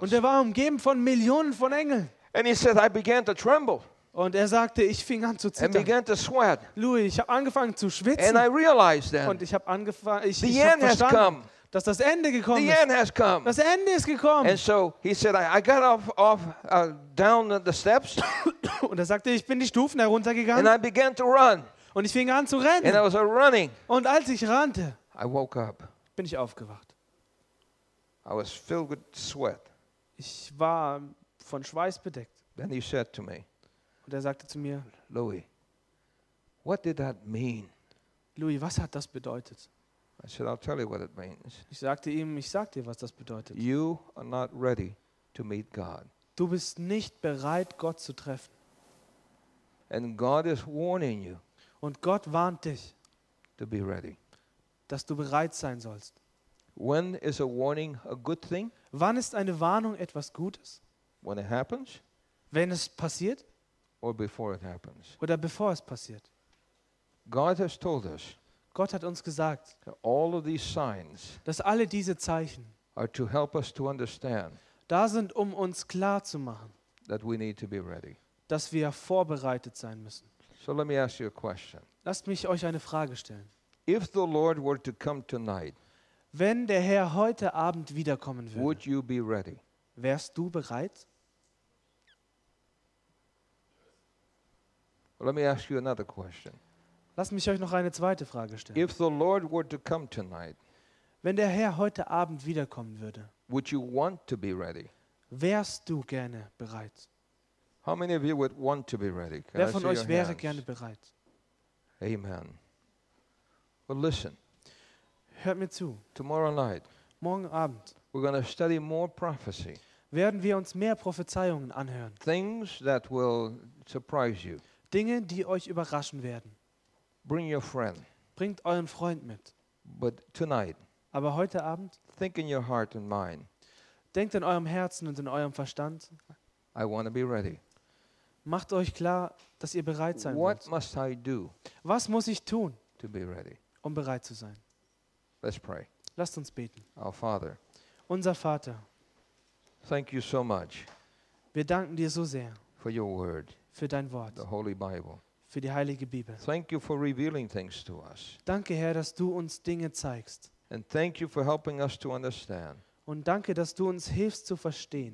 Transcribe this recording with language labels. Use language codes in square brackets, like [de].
[de] Und er war umgeben von Millionen von Engeln. [en] And he said, "I began to tremble." [de] Und er sagte, ich fing an zu zittern. [en] And began to sweat. [de] Louis, ich habe angefangen zu schwitzen. [en] And I realized then, [de] und ich habe angefangen, ich habe verstanden, dass das Ende gekommen [en] the [de] ist. [en] End has come. [de] Das Ende ist gekommen. [en] And so he said, I got down the steps. [de] Und er sagte, ich bin die Stufen heruntergegangen. [en] And I began to run. [de] Und ich fing an zu rennen. [en] And I was running. [de] Und als ich rannte, [en] I woke up. [de] Bin ich aufgewacht. [en] I was filled with sweat. [de] Ich war von Schweiß bedeckt. [en] Then he said to me, [de] und er sagte zu mir, [en] "Louis, what did that mean?" [de] Louis, was hat das bedeutet? [en] I said, "I'll tell you what it means." [de] Ich sagte ihm, ich sag dir, was das bedeutet. [en] You are not ready to meet God. [de] Du bist nicht bereit, Gott zu treffen. [en] And God is warning you. [de] Und Gott warnt dich. [en] To be ready. [de] Dass du bereit sein sollst. [en] When is a warning a good thing? [de] Wann ist eine Warnung etwas Gutes? [en] When it happens? [de] Wenn es passiert? [en] Or before it happens? [de] Oder bevor es passiert? [en] God has told us. [de] Gott hat uns gesagt. [en] All of these signs. [de] Dass alle diese Zeichen. [en] Are to help us to understand. [de] Da sind, um uns klar zu machen. [en] That we need to be ready. [de] Dass wir vorbereitet sein müssen. [en] So let me ask you a question. [de] Lasst mich euch eine Frage stellen. [en] If the Lord were to come tonight. [de] Wenn der Herr heute Abend wiederkommen würde, [en] would you be ready? [de] Wärst du bereit? [en] Well, let me ask you another question. [de] Lass mich euch noch eine zweite Frage stellen. [en] If the Lord were to come tonight, [de] wenn der Herr heute Abend wiederkommen würde, [en] would you want to be ready? [de] Wärst du gerne bereit? [en] How many of you would want to be ready? [de] Wer von euch wäre hands? Gerne bereit? [en] Amen. Well, listen. [de] Hört mir zu. [en] Tomorrow night, [de] morgen Abend, [en] we're going to study more prophecy. [de] Werden wir uns mehr Prophezeiungen anhören. [en] Things that will surprise you. [de] Dinge, die euch überraschen werden. [en] Bring your friend. [de] Bringt euren Freund mit. [en] But tonight, [de] aber heute Abend, [en] think in your heart and mind. [de] Denkt in eurem Herzen und in eurem Verstand. [en] I want to be ready. [de] Macht euch klar, dass ihr bereit sein [en] What [de] wollt. [en] Must I do [de] Was muss ich tun, [en] to be ready? [de] Um bereit zu sein? [en] Let's pray. [de] Lasst uns beten. [en] Our Father. [de] Unser Vater. [en] Thank you so much. [de] Wir danken dir so sehr. [en] For your word. [de] Für dein Wort. [en] The Holy Bible. [de] Für die heilige Bibel. [en] Thank you for revealing things to us. [de] Danke, Herr, dass du uns Dinge zeigst. [en] And thank you for helping us to understand. [de] Und danke, dass du uns hilfst zu verstehen.